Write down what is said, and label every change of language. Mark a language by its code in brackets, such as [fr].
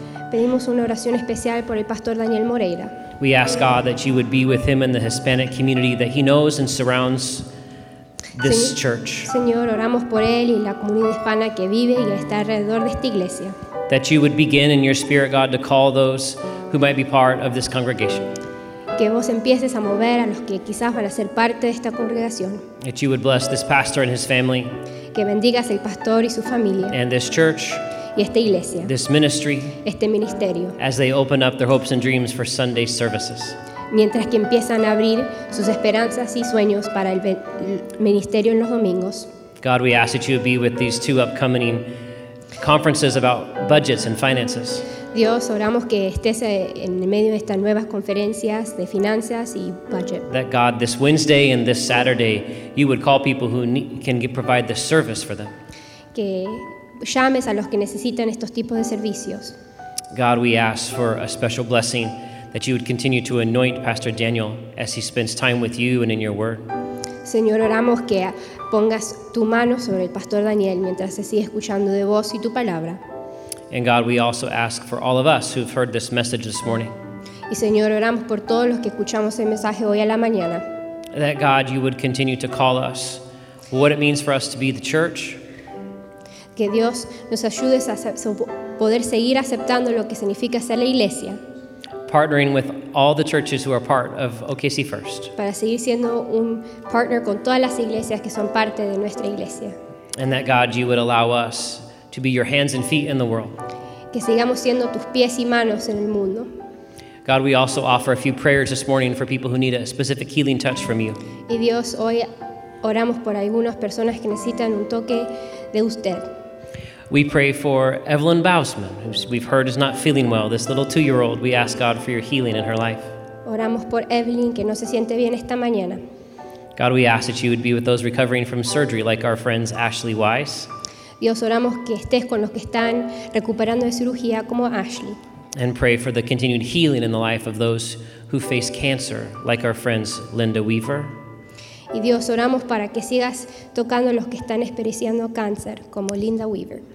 [es] Pedimos una oración especial por el Pastor Daniel Moreira. [en] We ask God that you would be with him in the Hispanic community that he knows and surrounds this [es] Señor, [en] church. [es] Señor, oramos por él y la comunidad hispana que vive y está alrededor de esta iglesia. [en] That you would begin in your spirit, God, to call those who might be part of this congregation. [es] Que vos empieces a mover a los que quizás van a ser parte de esta congregación. [en] That you would bless this pastor and his family. [es] Que bendigas el pastor y su familia. [en] And this church. [es] Y esta iglesia, [en] this ministry, [es] este ministerio, [en] as they open up their hopes and dreams for Sunday services. [es] Mientras que empiezan a abrir sus esperanzas y sueños para el ministerio en los domingos. [en] God, we ask that you would be with these two upcoming conferences about budgets and finances. [es] Dios, oramos que estés en medio de estas nuevas conferencias de finanzas y budget. [en] That God, this Wednesday and this Saturday, you would call people who can provide the service for them. [es] Que llames a los que necesitan estos tipos de servicios. [en] God, we ask for a special blessing that you would continue to anoint Pastor Daniel as he spends time with you and in your word. [es] Señor, oramos que pongas tu mano sobre el Pastor Daniel mientras se sigue escuchando de vos y tu palabra. [en] And God, we also ask for all of us who've heard this message this morning. [es] Y Señor, oramos por todos los que escuchamos el mensaje hoy a la mañana. [en] That God, you would continue to call us, what it means for us to be the church. [es] Que Dios nos ayude a poder seguir aceptando lo que significa ser la iglesia. [en] Partnering with all the churches who are part of OKC First. [es] Para seguir siendo un partner con todas las iglesias que son parte de nuestra iglesia. [en] And that God, you would allow us to be your hands and feet in the world. [es] Que sigamos siendo tus pies y manos en el mundo. [en] God, we also offer a few prayers this morning for people who need a specific healing touch from you. [es] Y Dios, hoy oramos por algunas personas que necesitan un toque de usted. [en] We pray for Evelyn Bausman, who we've heard is not feeling well, this little two-year-old. We ask God for your healing in her life. [es] Oramos por Evelyn, que no se siente bien esta mañana. [en] God, we ask that you would be with those recovering from surgery, like our friends Ashley Wise. [es] Dios, oramos que estés con los que están recuperando de cirugía, como Ashley. [en] And pray for the continued healing in the life of those who face cancer, like our friends Linda Weaver. [es] Y Dios, oramos para que sigas tocando los que están experienciando cáncer, como Linda Weaver.